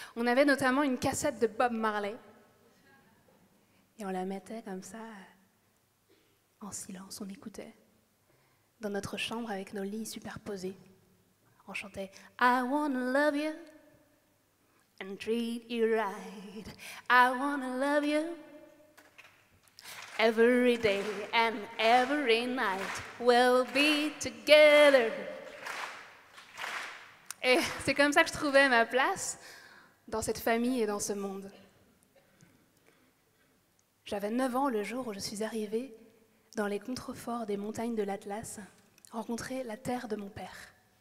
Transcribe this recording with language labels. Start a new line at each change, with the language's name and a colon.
French: On avait notamment une cassette de Bob Marley. Et on la mettait comme ça, en silence, on écoutait. Dans notre chambre, avec nos lits superposés. On chantait «
English: I wanna love you ». And treat you right. I wanna love you every day and every night. We'll be together.
French: Et c'est comme ça que je trouvais ma place dans cette famille et dans ce monde. J'avais 9 ans le jour où je suis arrivée dans les contreforts des montagnes de l'Atlas, rencontrer la terre de mon père.